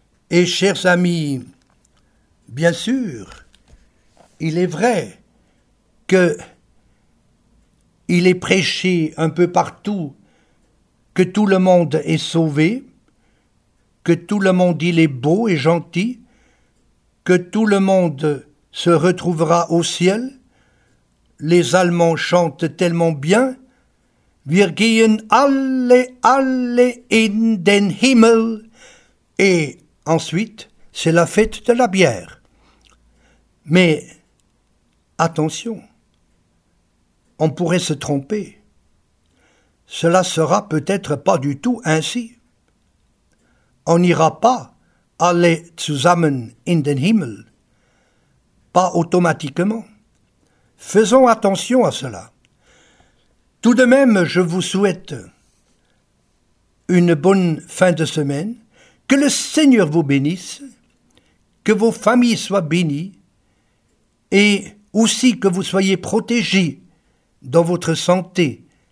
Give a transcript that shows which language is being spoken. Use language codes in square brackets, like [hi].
[fr] Et chers amis, bien sûr, il est vrai que il est prêché un peu partout que tout le monde est sauvé, que tout le monde il est beau et gentil, que tout le monde se retrouvera au ciel. Les Allemands chantent tellement bien. [de] Wir gehen alle, alle in den Himmel. [fr] Et ensuite, c'est la fête de la bière. Mais attention, on pourrait se tromper. Cela sera peut-être pas du tout ainsi. On n'ira pas [de] alle zusammen in den Himmel. [fr] Pas automatiquement. Faisons attention à cela. Tout de même, je vous souhaite une bonne fin de semaine, que le Seigneur vous bénisse, que vos familles soient bénies et aussi que vous soyez protégés dans votre santé.